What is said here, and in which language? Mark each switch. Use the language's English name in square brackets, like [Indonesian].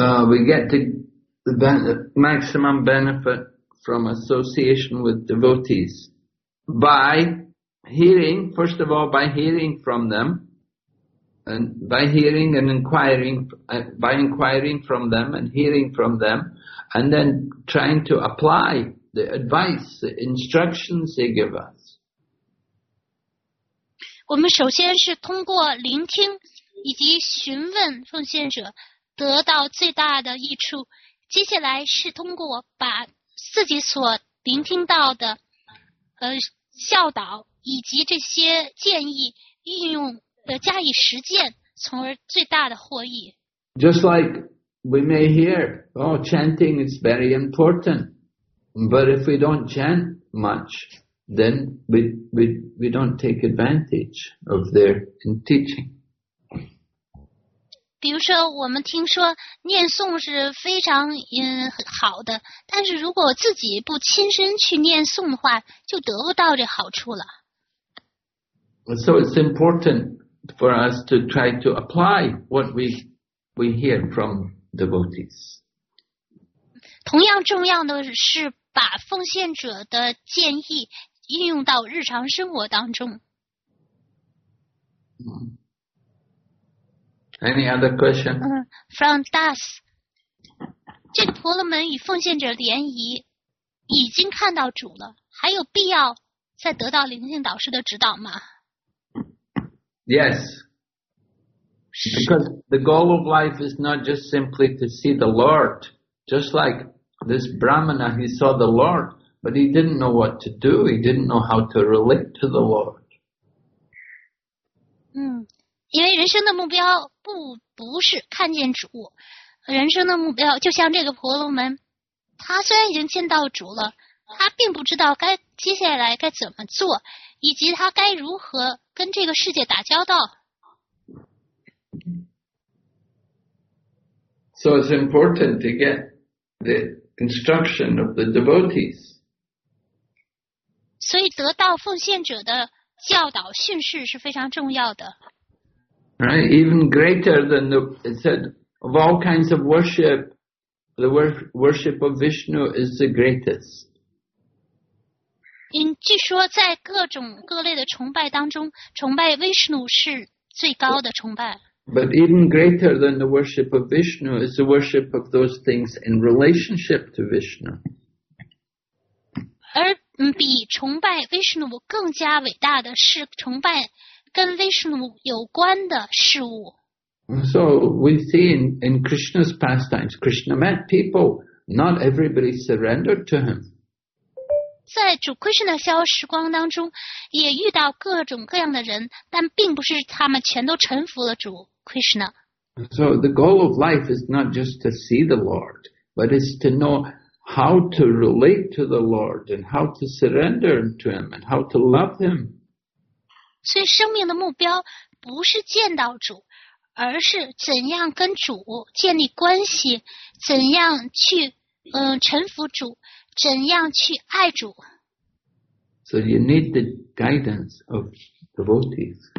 [English] We get the maximum benefit from association with devotees by hearing, first of all, by hearing from them, and by hearing and inquiring, by inquiring from them and hearing from them, and then trying to apply the advice, the instructions they give us. [Chinese] 我们首先是通过聆听以及询问奉献者得到最大的益处，接下来是通过把自己所聆听到的教导以及这些建议运用加以实践，从而最大的获益。 [English] Just like we may hear, oh, chanting is very important, but if we don't chant much, then we don't take advantage of their teaching. [Chinese] 比如说我们听说念诵是非常好的，但是如果自己不亲身去念诵的话，就得不到这好处了。 [English] So it's important for us to try to apply what we hear from devotees. [Chinese] 同样重要的是把奉献者的建议应用到日常生活当中。 [English] Any other question? [Chinese] From Das, 这婆罗门与奉献者联谊已经看到主了，还有必要再得到灵性导师的指导吗？ [English] Yes. Because the goal of life is not just simply to see the Lord. Just like this Brahmana, he saw the Lord, but he didn't know what to do. He didn't know how to relate to the Lord. [Chinese] 因为人生的目标不是看见主，人生的目标就像这个婆罗门，他虽然已经见到主了，他并不知道该接下来该怎么做，以及他该如何跟这个世界打交道。 [English] So it's important to get the instruction of the devotees. [Chinese] 所以得到奉献者的教导训示是非常重要的。 [English] Right, even greater than it said, of all kinds of worship, the worship of Vishnu is the greatest. [Chinese] 据说在各种各类的崇拜当中，崇拜 Vishnu 是最高的崇拜。 [English] But even greater than the worship of Vishnu is the worship of those things in relationship to Vishnu. [Chinese] 而比崇拜 Vishnu 更加伟大的是崇拜跟 Vishnu 有关的事物。 [English] So we see in Krishna's pastimes, Krishna met people, not everybody surrendered to him. [Chinese] 在主 Krishna 消时光当中，也遇到各种各样的人，但并不是他们全都臣服了主 Krishna. [English] So the goal of life is not just to see the Lord, but is to know how to relate to the Lord and how to surrender to him and how to love him. [Chinese] 所以生命的目标不是见到主，而是怎样跟主建立关系，怎样去臣服主，怎样去爱主。 [English] So you need the guidance of devotees.